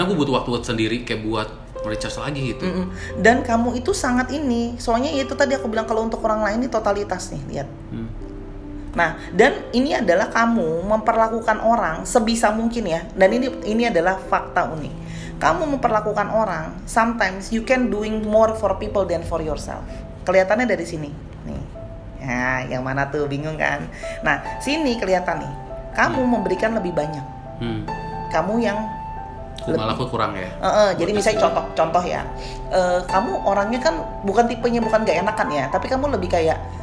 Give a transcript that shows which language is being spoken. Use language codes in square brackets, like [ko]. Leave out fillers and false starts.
[id] Karena gue butuh waktu sendiri kayak buat recharge lagi gitu. Dan kamu itu sangat ini. Soalnya itu tadi aku bilang kalau untuk orang lain ini totalitas nih, lihat. Nah, dan ini adalah kamu memperlakukan orang sebisa mungkin ya. Dan ini adalah fakta unik. Kamu memperlakukan orang, [en] sometimes you can doing more for people than for yourself. [id] Kelihatannya dari sini. Nih. Ya, yang mana tuh bingung kan? Nah, sini kelihatan nih. Kamu memberikan lebih banyak. Kamu yang malah aku kurang ya. Jadi misalnya contoh ya. Kamu orangnya kan bukan tipenya bukan gak enakan ya, tapi kamu lebih kayak